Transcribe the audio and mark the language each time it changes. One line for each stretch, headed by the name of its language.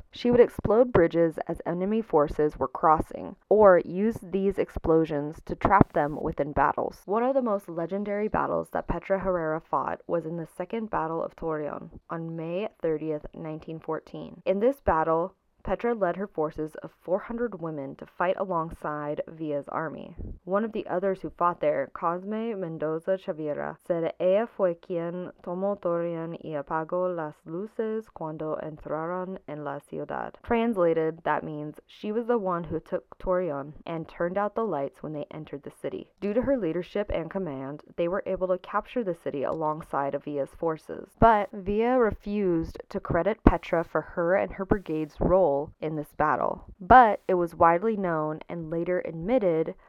English: She would explode bridges as enemy forces were crossing, or use these explosions to trap them within battles. One of the most legendary battles that Petra Herrera fought was in the Second Battle of Torreon on May 30th, 1914. In this battle, Petra led her forces of 400 women to fight alongside Villa's army. One of the others who fought there, Cosme Mendoza Chavira, said
Spanish: ella fue quien tomó Torreón y apagó las luces cuando entraron en la ciudad.
English: Translated, that means she was the one who took Torreón and turned out the lights when they entered the city. Due to her leadership and command, they were able to capture the city alongside of Villa's forces. But Villa refused to credit Petra for her and her brigade's role in this battle, but it was widely known and later admitted